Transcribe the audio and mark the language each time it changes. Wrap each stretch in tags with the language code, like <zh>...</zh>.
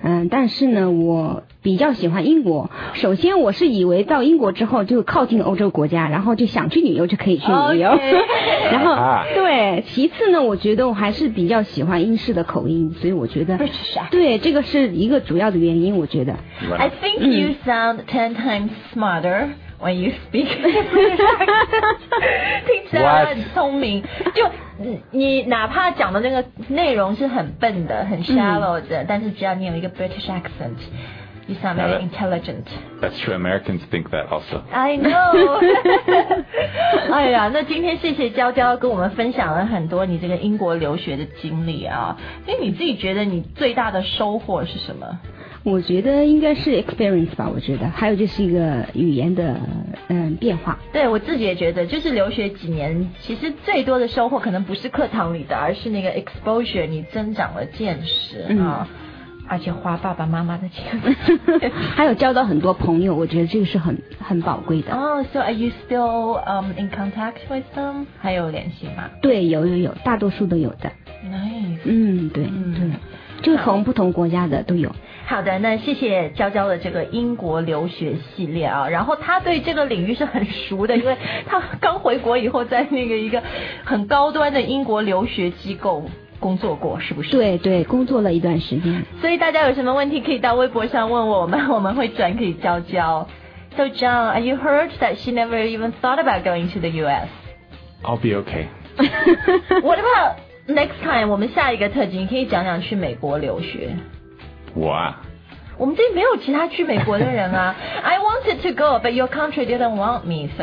<zh>但是呢，我比较喜欢英国。首先，我是以为到英国之后就靠近欧洲国家，然后就想去旅游就可以去旅游。</zh> <en>Okay.</en> <zh>然后对，其次呢我觉得我还是比较喜欢英式的口音，所以我觉得对，这个是一个主要的原因。我觉得</zh> <en>I think you sound 10 times smarter when you speak English.</en> <zh>听起来很聪明，就你哪怕讲的那个内容是很笨的很 shallow 的，但是只要你有一个</zh> <en>British accentYou sound very intelligent. That's true. Americans think that also. I know.</en> <zh>哎呀，那今天谢谢娇娇跟我们分享了很多你这个英国留学的经历啊。那你自己觉得你最大的收获是什么？我觉得应该是 experience 吧，我觉得还有就是一个语言的变化。对，我自己也觉得就是留学几年其实最多的收获可能不是课堂里的，而是那个 exposure， 你增长了见识啊。而且花爸爸妈妈的钱还有交到很多朋友，我觉得这个是很宝贵的。</zh> <en>So are you still in contact with them?</en> <zh>还有联系吗？对，有大多数都有的。</zh> <en>Nice.</en> <zh>对对，就是从不同国家的都有。好的，那谢谢娇娇的这个英国留学系列啊，然后他对这个领域是很熟的，因为他刚回国以后在那个一个很高端的英国留学机构工作过，是不是？对对，工作了一段时间。所以大家有什么问题可以到微博上问我们会转给娇娇。</zh> <en>So John, are you hurt that she never even thought about going to the US? I'll be okay. What about next time?</en> <zh>我们下一个特辑你可以讲讲去美国留学。我啊？我们这里没有其他去美国的人啊。</zh> <en>I wanted to go, but your country didn't want me, so.</en>